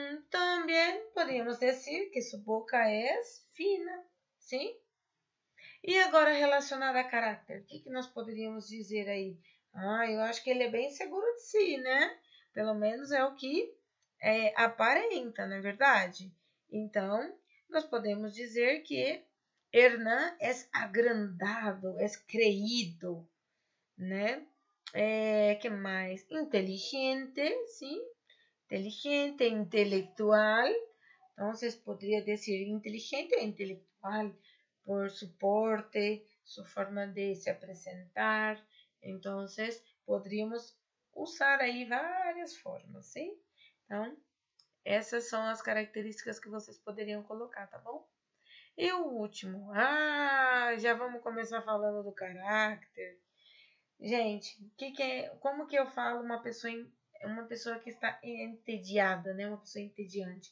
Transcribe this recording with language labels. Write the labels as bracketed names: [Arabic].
[Spanish] También podríamos decir que su boca es fina, ¿sí? [Portuguese] E agora relacionada a caráter, o que que nós poderíamos dizer aí? Ah, eu acho que ele é bem seguro de si, né? Pelo menos é o que aparenta, não é verdade? Então, nós podemos dizer que Hernán é agrandado, é creído, né? Que mais? Inteligente, sim? Inteligente, intelectual. Então, vocês poderiam dizer inteligente ou intelectual? [Spanish] Por su porte, su forma de se apresentar. Entonces, podríamos usar ahí varias formas, ¿sí? ¿Sí? [Portuguese] Então, essas são as características que vocês poderiam colocar, tá bom? E o último, já vamos começar falando do caráter. Gente, como que eu falo uma pessoa que está entediada, né? Uma pessoa entediante.